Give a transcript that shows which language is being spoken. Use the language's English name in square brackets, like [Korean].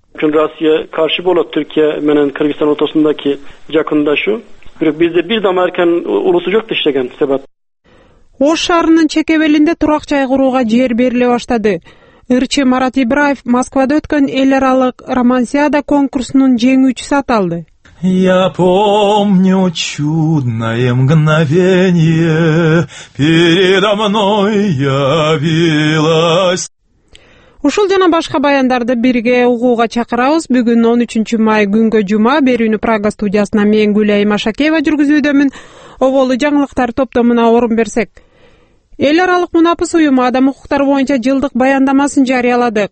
[Kyrgyz] Бүгүн Россия каршы болот Түркия менен Кыргызстан ортосундагы жакындашуу. Бирок бизде бир да Американ улусу жок иштеген себеп. Ош шаарынын чекебелинде турак жай курууга жер бериле баштады. Ырчы Марат Ибраев Москвада өткөн эл аралык Романсиада конкурсунун жеңүүчүсү аталды. [Russian] Я помню чудное мгновение, передо мной явилось. [Kyrgyz] Ушул жана башка баяндарды бирге угууга чакырабыз. Бүгүн 13 май күнгө жума, берүүнү Прага студиясына мен Гүлайым Ашакеева жүргүзүүдөмүн. Оболу жаңылыктар топтомуна орун берсек. Эл аралык мунапыс уюму адам укуктары боюнча жылдык баяндамасын жарыялады.